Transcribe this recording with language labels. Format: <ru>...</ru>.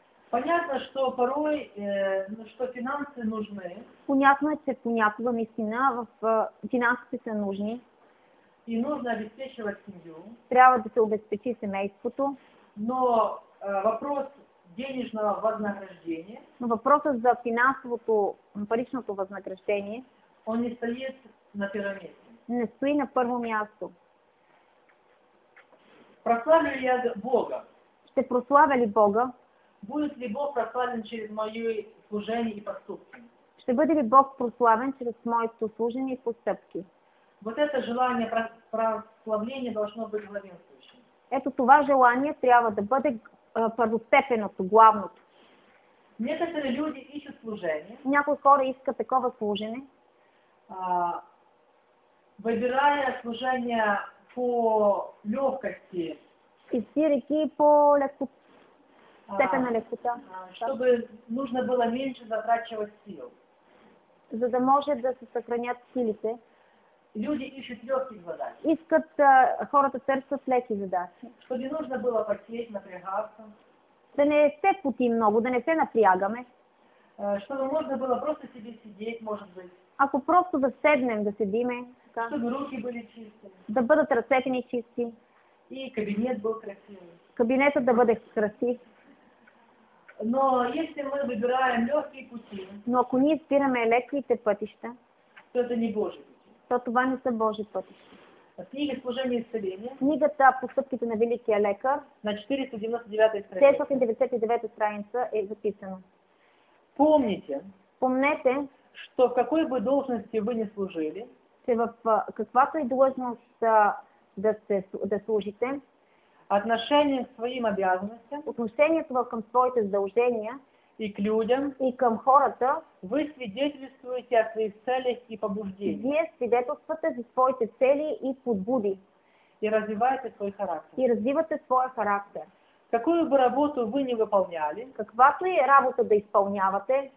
<ru>Понятно, что порой, что финансы нужны.</ru> <bg>Понятно, что понякога наистина финансите са нужни.</bg> <ru>И нужно обеспечивать семью.</ru> <bg>Трябва да се обезпечи семейството.</bg> <ru>Но вопрос денежного вознаграждения.</ru> <bg>Но вопросът за финансовото, паричното възнаграждение.</bg> <ru>Он не стоит на первом месте.</ru> <bg>Не стои на първо място.</bg> <ru>Прославлю ли я Бога?</ru> <bg>Ще прославя ли Бога?</bg> <ru>Будет ли Бог прославлен через мое служение и поступки?</ru> <bg>Ще бъде ли Бог прославен чрез моето служение и постъпки?</bg> <ru>Вот это желание прославления должно быть главенствующим.</ru> <bg>Ето това желание трябва да бъде първостепенното, главното.</bg> <ru>Некоторые люди ищут служение.</ru> <bg>Някои хора искат такова служение.</bg> <ru>Выбирая служение по легкости.</ru> <bg>Избирайки по легкости. Степен на лекота.</bg> <ru>Чтобы нужно было меньше затрачивать сил.</ru> <bg>За да може да се съхранят силите.</bg> <ru>Люди ищут легкие задачи.</ru> <bg>Искат хората търсят леки задачи.</bg> <ru>Чтобы не нужно было потеть, напрягаться.</ru> <bg>Да не се поти много, да не се напрягаме.</bg> <ru>Чтобы можно было просто себе сидеть, может быть.</ru> <bg>Ако просто да седнем, да седиме.</bg> <ru>Така. Чтобы руки были чисты.</ru> <bg>Да бъдат ръцете ни чисти.</bg> <ru>И кабинет был красивый.</ru> <bg>Кабинетът да бъде красив.</bg> <ru>Но если мы выбираем легкие пути,</ru> <bg>но ако ние избираме леките пътища,</bg> <ru>то это не Божи пути.</ru> <bg>То това не са Божи пътища.</bg> <ru>Книга «Служение и исцеление».</ru> <bg>Книгата «Постъпките на великия лекар».</bg> <ru>На 499</ru> <bg>страница е записано.</bg> <ru>Помнете, что в какой бы должности вы ни служили,</ru> <bg>че в каквато и должност да служите,</bg> <ru>отношение к своим обязанностям,</ru> <bg>отношение към своите задължения</bg> <ru>и к людям,</ru> <bg>и към хората,</bg> <ru>вы свидетельствуете о своих целях и побуждениях.</ru> <bg>Вие свидетелствате за своите цели и подбуди.</bg> <ru>И развиваете свой характер.</ru> <bg>И развивате своя характер.</bg> <ru>Какую бы работу вы ни выполняли,</ru> <bg>каквато и работа да изпълнявате,</bg>